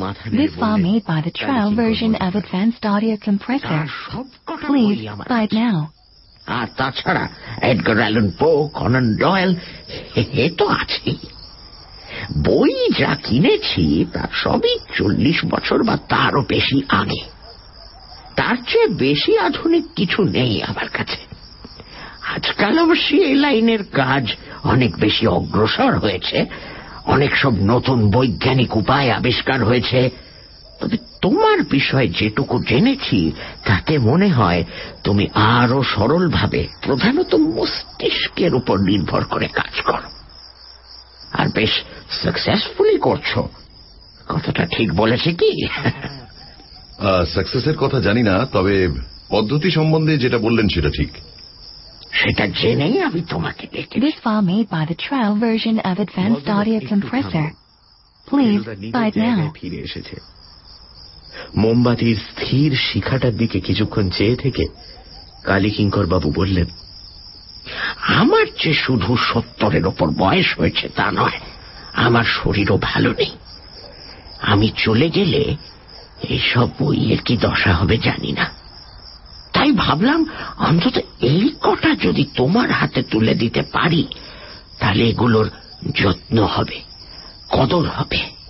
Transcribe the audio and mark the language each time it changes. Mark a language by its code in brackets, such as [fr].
[en] This file made by the trial version of Advanced Audio Compressor. Please buy it now. [bn] আর তাছাড়া Edgar Allan পো, Canaan Doyle, এ তো আছেই। বই যা কিনেছি তা সবই 40 বছর বা তারও বেশি আগে। তার চেয়ে বেশি আধুনিক কিছু নেই আমার কাছে। আজকাল অবশ্যই এই লাইনের কাজ অনেক বেশি অগ্রসর হয়েছে, অনেক সব নতুন বৈজ্ঞানিক উপায় আবিষ্কার হয়েছে। তবে তোমার বিষয়ে যেটুকু জেনেছি তাতে মনে হয় তুমি আরো সরলভাবে প্রধানত মস্তিষ্কের উপর নির্ভর করে কাজ করো, আর বেশ সাকসেসফুলি করছো। কথাটা ঠিক বলেছে কি? সাকসেসের কথা জানি না, তবে পদ্ধতি সম্বন্ধে যেটা বললেন সেটা ঠিক। সেটা জেনেই আমি তোমাকে ডেকেছি। [en] This file made by the trial version of Advanced Audio Compressor. Please buy it now. [bn] মোমবাতির স্থির শিখাটার দিকে কিছুক্ষণ চেয়ে থেকে কালী কিঙ্কর বাবু বললেন, আমার যে শুধু 70-এর ওপর বয়স হয়েছে তা নয়, আমার শরীরও ভালো নেই। আমি চলে গেলে এসব বইয়ের কি দশা হবে জানি না, তাই ভাবলাম অন্তত এই কটা যদি তোমার হাতে তুলে দিতে পারি তাহলে এগুলোর যত্ন হবে, কদর হবে।